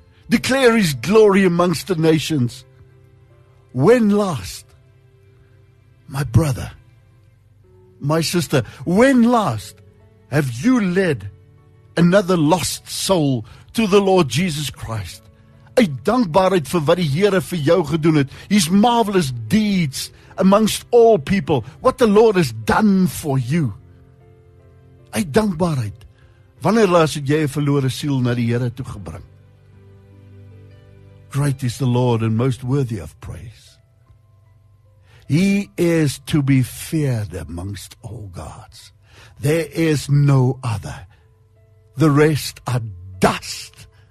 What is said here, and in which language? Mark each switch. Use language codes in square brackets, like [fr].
[en] Declare His glory amongst the nations. When last, my brother, my sister, when last have you led another lost soul to the Lord Jesus Christ? [af] Uit dankbaarheid vir wat die Here vir jou gedoen het. [en] His marvelous deeds amongst all people. What the Lord has done for you. [af] Uit dankbaarheid. Wanneer laas het jy 'n verlore siel na die Here toe gebring? [en] Great is the Lord and most worthy of praise. He is to be feared amongst all gods. There is no other. The rest are dust.